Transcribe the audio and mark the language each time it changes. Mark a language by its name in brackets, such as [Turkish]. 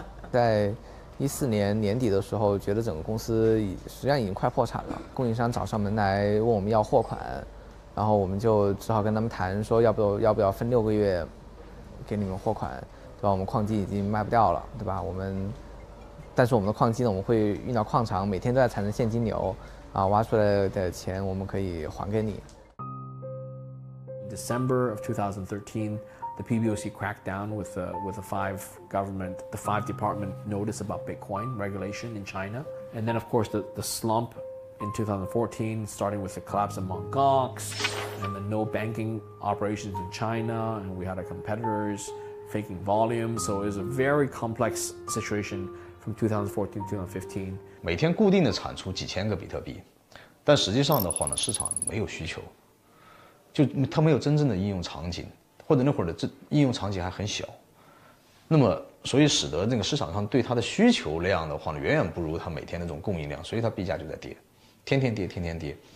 [Chinese] 在2014年年底的时候，觉得整个公司实际上已经快破产了，供应商找上门来问我们要货款，然后我们就只好跟他们谈说要不要分6个月给你们货款，对吧？我们矿机已经卖不掉了，对吧？但是我们的矿机呢，我们会运到矿场，每天都在产生现金流。挖出来的钱我们可以还给你。 [English] December of 2013, the PBOC cracked down with the five department notice about Bitcoin regulation in China. And then of course the slump in 2014, starting with the collapse of Mt. Gox and the no banking operations in China, and we had our competitors faking volume. So it was a very complex situation from 2014 to 2015. [Chinese] 每天固定的产出几千个比特币，但实际上的话呢，市场没有需求，就它没有真正的应用场景，或者那会儿的应用场景还很小，那么所以使得这个市场上对它的需求量的话呢，远远不如它每天那种供应量，所以它币价就在跌，天天跌，天天跌。